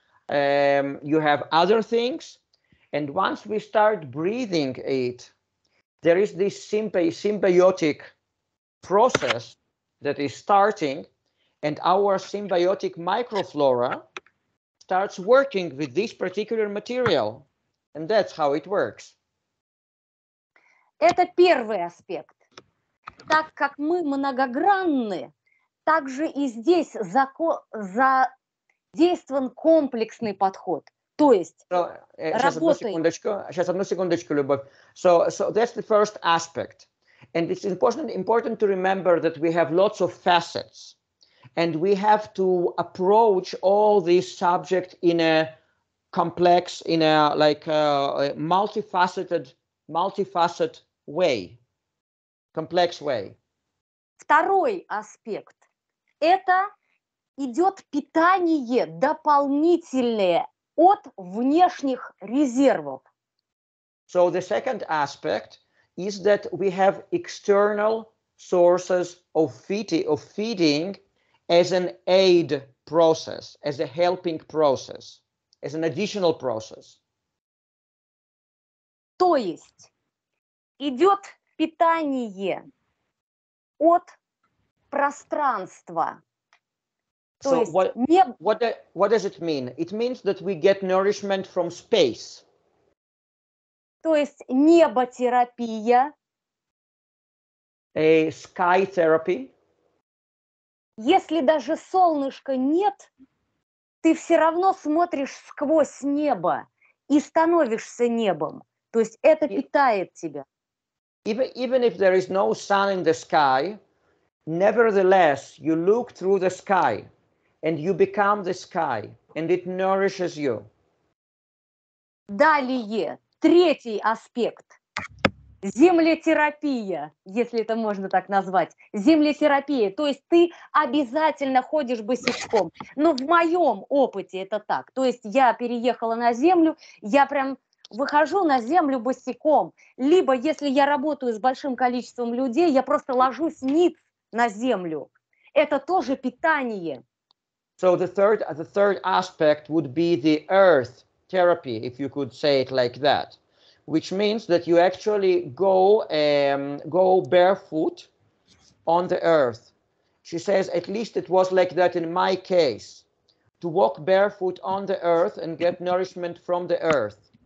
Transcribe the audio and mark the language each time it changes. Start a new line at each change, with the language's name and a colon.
English: You have other things, and once we start breathing it, there is this symbiotic process that is starting, and our symbiotic microflora starts working with this particular material, and that's how it works.
Russian: Это первый аспект. Так как мы многогранны, также и здесь задействован комплексный подход. То есть Сейчас одну секундочку, Любовь.
English: So that's the first aspect. And it's important to remember that we have lots of facets, and we have to approach all these subjects in a complex, in a like a multifaceted way, complex way.
Russian: Второй аспект – это идет питание дополнительное от внешних резервов.
English: So the second aspect is that we have external sources of feeding as an aid process, as a helping process, as an additional process.
Russian: То есть идет питание от пространства.
English: So what does it mean? It means that we get nourishment from space.
Russian: То есть неботерапия.
English: A sky therapy.
Russian: Если даже солнышка нет, ты все равно смотришь сквозь небо и становишься небом. То есть это питает тебя.
English: Even if there is no sun in the sky, nevertheless, you look through the sky and you become the sky, and it nourishes you.
Russian: Далее, третий аспект. Землетерапия, если это можно так назвать. Землетерапия, то есть ты обязательно ходишь босиком. Но в моем опыте это так. То есть я переехала на землю, я прям выхожу на землю босиком. Либо, если я работаю с большим количеством людей, я просто ложусь ниц на землю. Это тоже питание.
English: So the third aspect would be the earth therapy, if you could say it like that, which means that you actually go barefoot on the earth. She says, at least it was like that in my case, to walk barefoot on the earth and get nourishment from the earth.